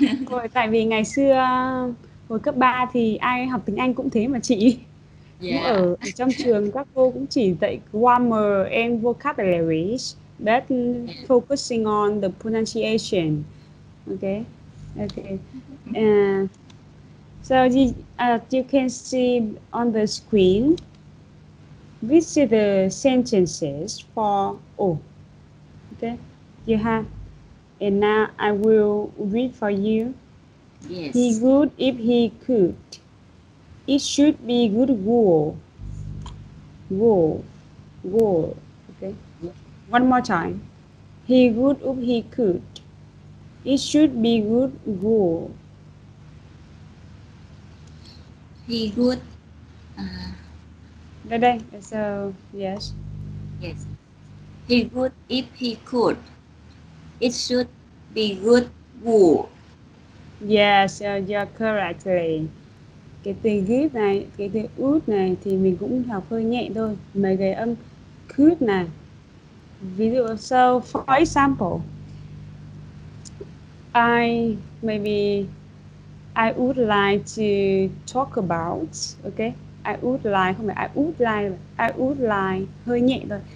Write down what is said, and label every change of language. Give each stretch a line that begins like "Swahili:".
Vietnamese: Rồi, tại vì ngày xưa hồi cấp 3 thì ai học tiếng Anh cũng thế mà chị.
English: Yeah.
Vietnamese: Ở trong trường các cô cũng chỉ dạy
English: grammar and vocabulary, but focusing on the pronunciation. Okay, okay. So you, as you can see on the screen, which are the sentences for O. Okay, you have, and now I will read for you. Yes. He would if he could. It should be good wool. Wool. Wool. Okay. One more time. He would if he could. It should be good wool. He would.
Vietnamese: Đây đây.
English: So yes. Yes. He would if he could. It should be good wool. Yes, you're correctly.
Vietnamese: Cái từ good này, cái từ would này thì mình cũng học hơi nhẹ thôi. Mấy cái âm could này. Ví dụ,
English: so for example, I would like to talk about, okay? I would like,
Vietnamese: không phải
English: I would like,
Vietnamese: hơi nhẹ thôi.